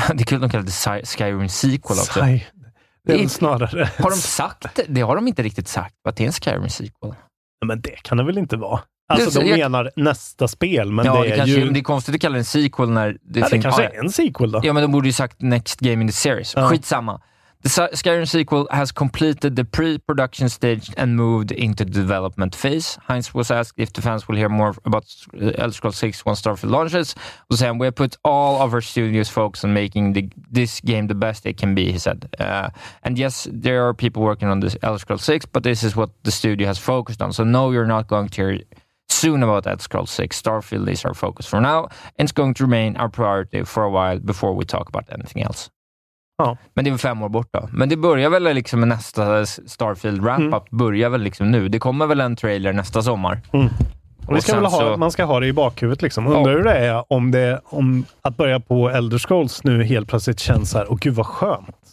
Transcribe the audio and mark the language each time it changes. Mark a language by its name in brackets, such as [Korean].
[Swedish] Det är kul att de kallar det Skyrim sequel också. Snarare. Har de sagt? Det har de inte riktigt sagt. Vad är en Skyrim sequel? Men det kan det väl inte vara. Alltså de menar nästa spel, men ja, det är kanske, ju... Det är konstigt att kalla det en sequel när... Det, ja, det kanske är en sequel då. Ja, men de borde ju sagt [English] next game in the series. [Swedish] Ja. Skitsamma. [English] The Skyrim sequel has completed the pre-production stage and moved into the development phase. Hines was asked if the fans will hear more about Elder Scrolls 6 once Starfield launches. Was saying, we have put all of our studios focus on making this game the best it can be, he said. And yes, there are people working on this Elder Scrolls 6, but this is what the studio has focused on. So no, you're not going to hear soon about Elder Scrolls 6. Starfield is our focus for now, and it's going to remain our priority for a while before we talk about anything else. [Swedish] Ja. Men det är väl 5 år bort då. Men det börjar väl liksom med nästa Starfield wrap-up. Mm. Börjar väl liksom nu. Det kommer väl en trailer nästa sommar. Mm. Och ska väl ha, så... Man ska ha det i bakhuvudet liksom. Undrar hur det är om det, om att börja på Elder Scrolls nu helt plötsligt känns här. Och gud vad skönt.